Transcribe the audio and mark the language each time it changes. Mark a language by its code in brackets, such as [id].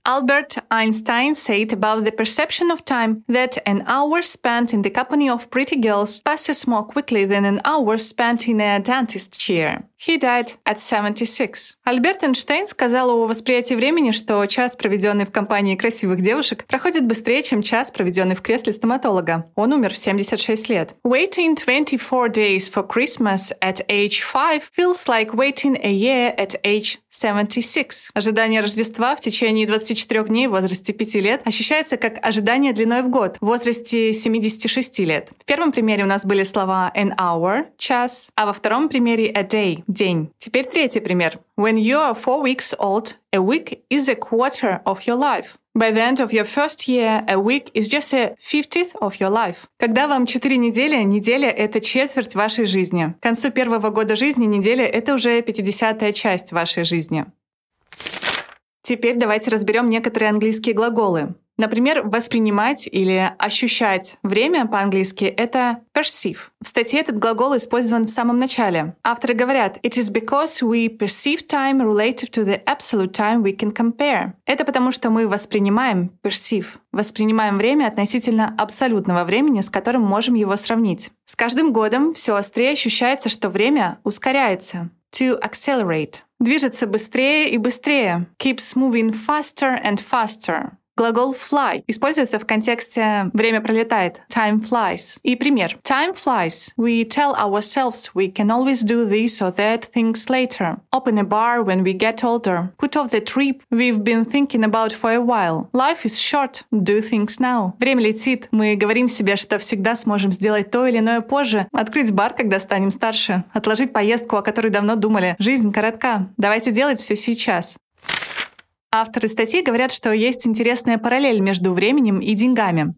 [en] Albert Einstein said about the perception of time that an hour spent in the company of pretty girls passes more quickly than an hour spent in a dentist's chair. He died at 76. [ru] Альберт Эйнштейн сказал о восприятии времени, что час, проведенный в компании красивых девушек, проходит быстрее, чем час, проведенный в кресле стоматолога. Он умер в 76 лет. [en] Waiting 24 days for Christmas at age 5 feels like waiting a year at age 76. [ru] Ожидание Рождества в течение 24 дней в возрасте 5 лет ощущается как ожидание длиной в год в возрасте 76 лет. В первом примере у нас были слова [en] an hour, [ru] час, а во втором примере [en] a day. [ru] День. Теперь третий пример. [en] When you are 4 weeks old, a week is a quarter of your life. By the end of your first year, a week is just a 50th of your life. [ru] Когда вам 4 недели, неделя — это четверть вашей жизни. К концу первого года жизни неделя — это уже 50-я часть вашей жизни. Теперь давайте разберем некоторые английские глаголы. Например, воспринимать или ощущать время по-английски — это perceive. В статье этот глагол использован в самом начале. Авторы говорят [en] «It is because we perceive time relative to the absolute time we can compare». [ru] Это потому, что мы воспринимаем perceive. Воспринимаем время относительно абсолютного времени, с которым можем его сравнить. С каждым годом все острее ощущается, что время ускоряется. [en] To accelerate. [ru] Движется быстрее и быстрее. [en] Keeps moving faster and faster. [ru] Глагол fly используется в контексте «время пролетает» — [en] time flies. [ru] И пример. [en] Time flies. We tell ourselves we can always do this or that things later. Open a bar when we get older. Put off the trip we've been thinking about for a while. Life is short. Do things now. [ru] Время летит. Мы говорим себе, что всегда сможем сделать то или иное позже. Открыть бар, когда станем старше. Отложить поездку, о которой давно думали. Жизнь коротка. Давайте делать все сейчас. Авторы статьи говорят, что есть интересная параллель между временем и деньгами.